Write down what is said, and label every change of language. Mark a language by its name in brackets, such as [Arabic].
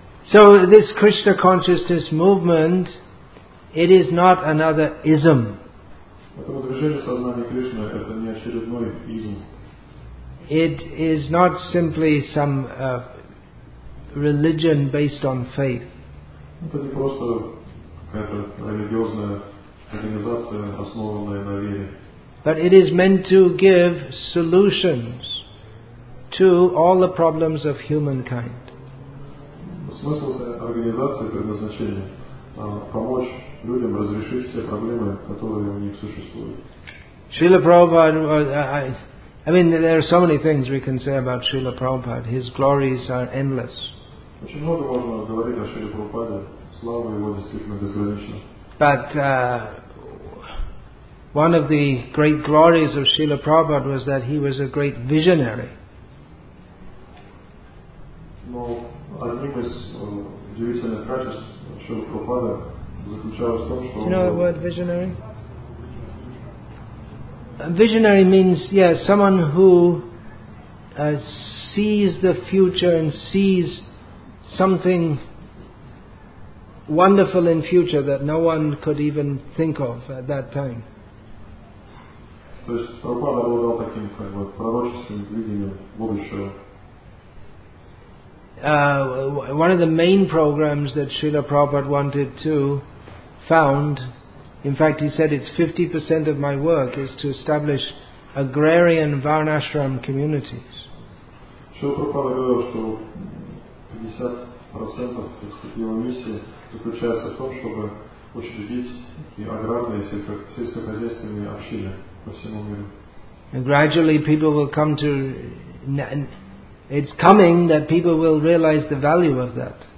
[English] So this Krishna consciousness movement, it is not another ism. It is not simply some religion based on faith. [Russian] Это не просто какая-то религиозная организация, основанная на вере. [English] But it is meant to give solutions to all the problems of humankind. [Russian] Смысл этой организации предназначение помочь людям разрешить все проблемы, которые у них существуют. [English] Srila Prabhupada, I mean, there are so many things we can say about Srila Prabhupada. His glories are endless. [Russian] Очень много можно говорить о Шриле Прабхупаде. Слава его действительно безгранична. [English] But one of the great glories of Srila Prabhupada was that he was a great visionary. [Russian] Но одним из удивительных качеств Шрилы Прабхупады заключалось в том, что... [English] Do you know the word visionary? A visionary means, yes, someone who sees the future and sees something wonderful in future that no one could even think of at that time. [Russian] То есть Прабхупада обладал таким как бы пророческим видением будущего. [English] One of the main programs that Srila Prabhupada wanted to found, in fact he said it's 50% of my work, is to establish agrarian varnashram communities. [Russian] Srila Prabhupada говорил, что 50% его миссии заключается в том, чтобы учредить аграрные сельскохозяйственные общины по всему миру. [English] And gradually people will come to... It's coming that people will realize the value of that.